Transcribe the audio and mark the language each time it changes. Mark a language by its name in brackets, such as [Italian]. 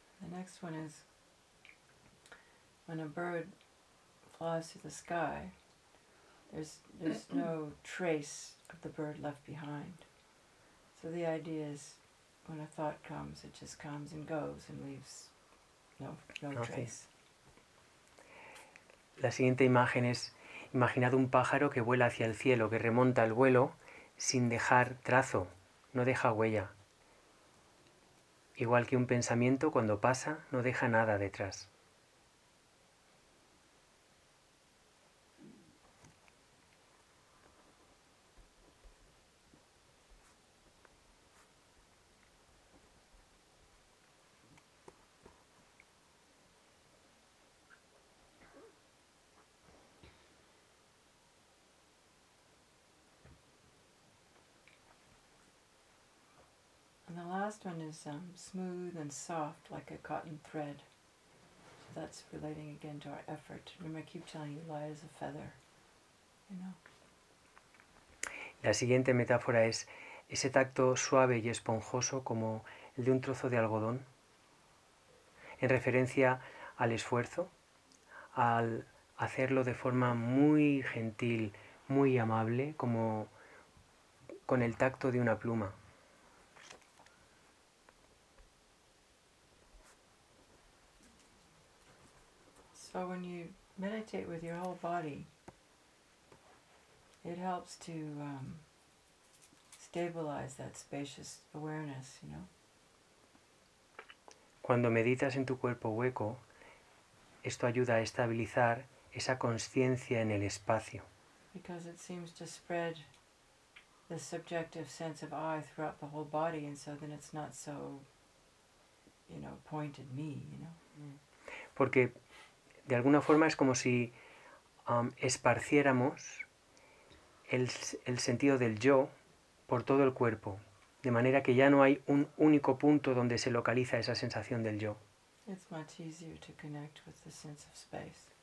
[English] Next one is when a bird flies through the sky, there's no trace of the bird left behind. So the idea is when a thought comes, it just comes and goes and leaves no trace. [Spanish] La siguiente imagen es imaginad un pájaro que vuela hacia el cielo, que remonta el vuelo sin dejar trazo, no deja huella. Igual que un pensamiento, cuando pasa, no deja nada detrás. [English] And the last one is smooth and soft, like a cotton thread. So that's relating again to our effort. Remember, I keep telling you, light as a feather, you know. [Spanish] La siguiente metáfora es ese tacto suave y esponjoso como el de un trozo de algodón, en referencia al esfuerzo, al hacerlo de forma muy gentil, muy amable, como con el tacto de una pluma. [English] So when you meditate with your whole body, it helps to stabilize that spacious awareness, you know. [Spanish] Cuando meditas en tu cuerpo hueco, esto ayuda a estabilizar esa conciencia en el espacio. [English] Because it seems to spread the subjective sense of I throughout the whole body, and so then it's not so, you know, pointed me, you know. Mm. [Spanish] Porque de alguna forma es como si esparciéramos el sentido del yo por todo el cuerpo, de manera que ya no hay un único punto donde se localiza esa sensación del yo. [English] It's much easier to connect with the sense of space.